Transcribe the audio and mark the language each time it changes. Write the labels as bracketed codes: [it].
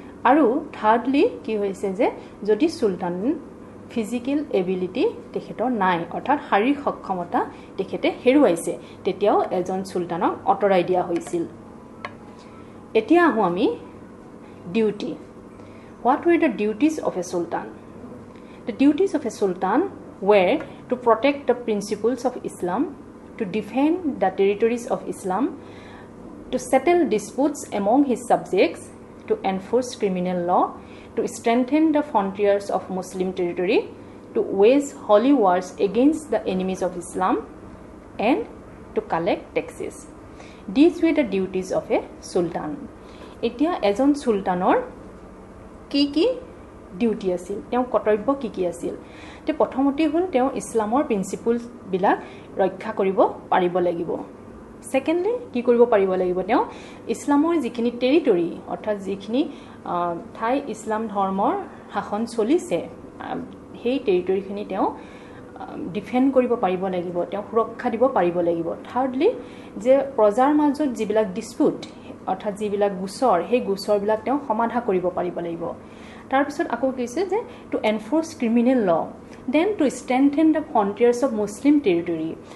[as] আৰু থাৰ্ডলি কি হৈছে যে যদি চুলতান ফিজিকেল এবিলিটি তেখেতৰ নাই, অৰ্থাৎ শাৰীৰিক সক্ষমতা তেখেতে হেৰুৱাইছে, তেতিয়াও এজন চুলতানক আঁতৰাই দিয়া হৈছিল। এতিয়া আহোঁ আমি duty, [en] What were the duties of a sultan. The duties of a sultan were to protect the principles of Islam, to defend the territories of Islam, to settle disputes among his subjects, to enforce criminal law, to strengthen the frontiers of Muslim territory, to wage holy wars against the enemies of Islam, and to collect taxes. These way the duties of a sultan. [as] এতিয়া এজন সুলতানের কি কি duty আছিল, কর্তব্য কি কি আছিল? প্রথমতে হল ইসলামের প্রিন্সিপল বিলাক রক্ষা করব পারিব লাগিব। ছেকেণ্ডলি কি কৰিব পাৰিব লাগিব, তেওঁ ইছলামৰ যিখিনি টেৰিটৰী অৰ্থাৎ যিখিনি ঠাই ইছলাম ধৰ্মৰ শাসন চলিছে সেই টেৰিটৰীখিনি তেওঁ ডিফেণ্ড কৰিব পাৰিব লাগিব, তেওঁ সুৰক্ষা দিব পাৰিব লাগিব। থাৰ্ডলি যে প্ৰজাৰ মাজত যিবিলাক ডিছপুট অৰ্থাৎ যিবিলাক গোচৰ, সেই গোচৰবিলাক তেওঁ সমাধা কৰিব পাৰিব লাগিব। তাৰপিছত আকৌ কৈছে যে [en] To enforce criminal law, then to strengthen the frontiers of Muslim territory.